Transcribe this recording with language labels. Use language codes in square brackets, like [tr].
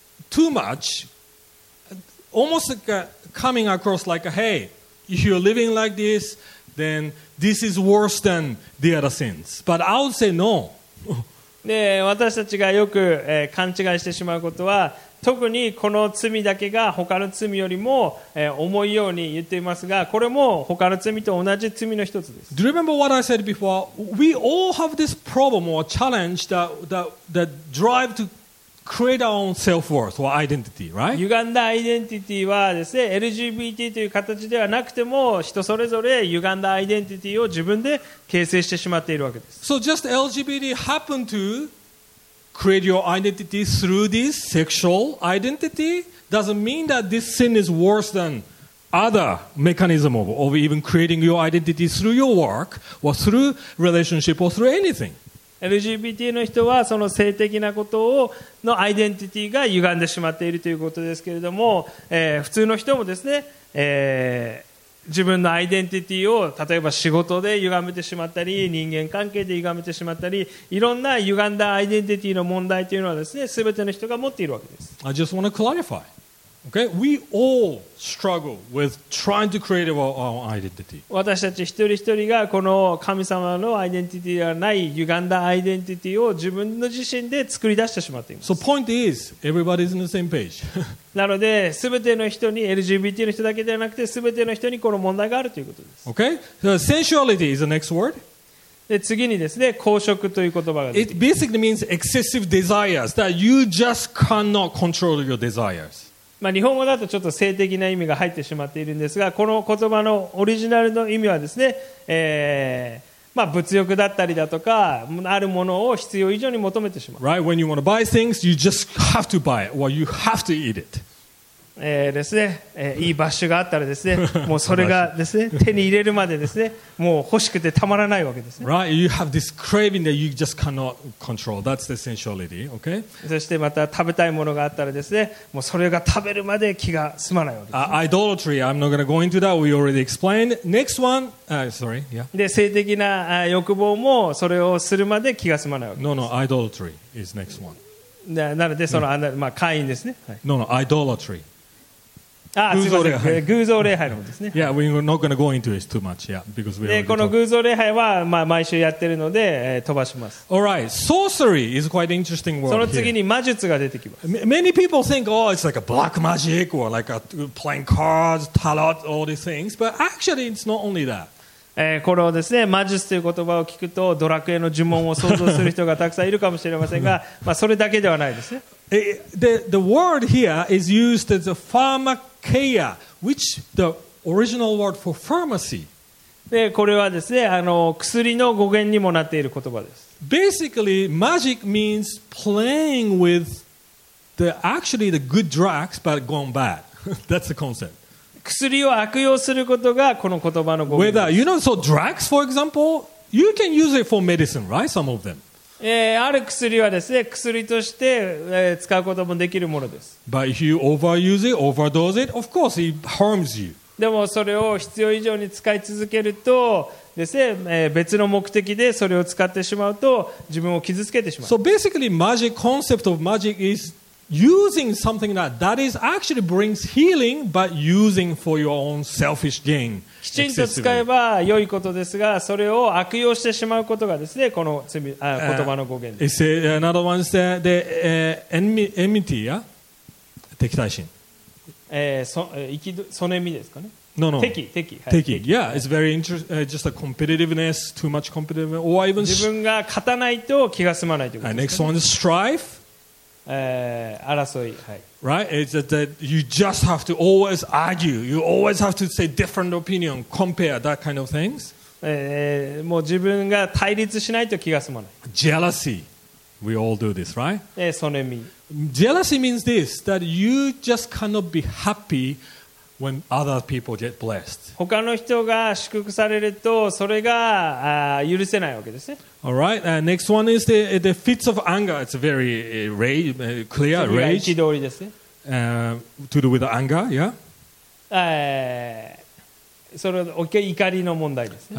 [en] Too much, almost like coming across like, hey, if you're living like this, then this is worse than the other sins. But I would say no. [ja] で、私たちがよく、勘違いしてしまうことは、特にこの罪だけが他の罪よりも、重いように言っていますが、これも他の罪と同じ罪の一つです。 [en] Do you remember what I said before? We all have this problem or challenge that drive to. Create our own self-worth or identity, right? [ja] 歪んだアイデンティティはですね、LGBT という形ではなくても、人それぞれ歪んだアイデンティティを自分で形成してしまっているわけです。 [en] So just LGBT happen to create your identity through this sexual identity doesn't mean that this sin is worse than other mechanism of even creating your identity through your work or through relationship or through anything. [ja] LGBT の人はその性的なことをのアイデンティティが歪んでしまっているということですけれども、普通の人もですね、自分のアイデンティティを例えば仕事で歪めてしまったり人間関係で歪めてしまったりいろんな歪んだアイデンティティの問題というのはですね、すべての人が持っているわけです。 [en] I just want to clarifyOkay, we all struggle with trying to create our identity. [ja] 私たち一人一人がこの神様のアイデンティティではない歪んだアイデンティティを自分の自身で作り出してしまっています。 [en] So point is, everybody's on the same page. [ja] なので、すべての人に LGBT の人だけではなくて、すべての人にこの問題があるということです。 [en] Okay, so sensuality is the next word. [ja] で次にですね、公職という言葉が出てきます。 [en] It basically means excessive desires that you just cannot control your desires. [ja] まあ、日本語だとちょっと性的な意味が入ってしまっているんですが、この言葉のオリジナルの意味はですね、まあ、物欲だったりだとか、あるものを必要以上に求めてしまう。 [en] Right, when you want to buy things, you just have to buy it, or you have to eat it. [ja] ですね、いいバッシュがあったらですね、もうそれがですね、手に入れるまでですね、もう欲しくてたまらないわけですね。 [en] Right, you have this craving that you just cannot control. That's the sensuality, okay? [ja] そしてまた食べたいものがあったらですね、もうそれが食べるまで気が済まないわけです、ね。 [en] Idolatry, I'm not going to go into that. We already explained. Next one, [ja] で、性的な欲望もそれをするまで気が済まないわけです。 [en] No, idolatry is next one. [ja] なので、その、 [en] no. [ja] まあ、会員ですね。は [en] い、no, idolatry. [ja] 偶像礼拝のですね。 [en] Yeah, we're not going to go into this too much, yeah, because we. [ja] この偶像礼拝は、まあ、毎週やってるので、飛ばします。 [en] All right, sorcery is quite an interesting word. [ja] その次に魔術が出てきます。 [en] Many people think, oh, it's like a black magic or like a playing cards, tarot, all these things, but actually, it's not only that. [ja] これをですね、魔術という言葉を聞くとドラクエの呪文を想像する人がたくさんいるかもしれませんが、まあ、それだけではないですね。 [en] The word here is used as a pharmakeia, which the original word for pharmacy. でこれはですね、薬の語源にもなっている言葉です。 Basically, magic means playing with the good drugs but gone bad. That's the concept. [ja] 薬を悪用することがこの言葉の語源です。 [en] You know, so drugs, for example, you can use it for medicine, right? Some of them. [ja] ある薬はですね、薬として使うこともできるものです。 [en] But if you overuse it, overdose it, of course it harms you. [ja] でもそれを必要以上に使い続けるとですね、別の目的でそれを使ってしまうと自分を傷つけてしまう。 [en] So basically, magic concept of magic is... Using something that is actually brings healing, but using for your own selfish gain. [ja] きちんと使えば良いことですが、それを悪用してしまうことがですね、この罪言葉の語源です。 [en] Another one is the enmity, yeah? [ja] 敵対心。そのみですかね。 [en] No, no. [ja] 敵、はい、敵。 [en] Yeah, it's very interesting. Just a competitiveness, too much competitiveness, or even [ja] 自分が勝たないと気が済まないということですか、ね。 [en] Next one is strife. [ja] 争い、はい。 [en] Right? It's that you just have to always argue. You always have to say different opinion, compare that kind of things. [ja] もう自分が対立しないと気が済まない。 [en] Jealousy. We all do this, right? [ja] そのみ。 [en] Jealousy means this: that you just cannot be happy when other people get blessed. [ja] 他の人が祝福されるとそれが許せないわけですね。 [en] All right. Next one is the fits of anger. It's very rage, clear rage. [ja] 憤りですね。 [en] To do with anger, yeah. [ja] それ怒りの問題ですね。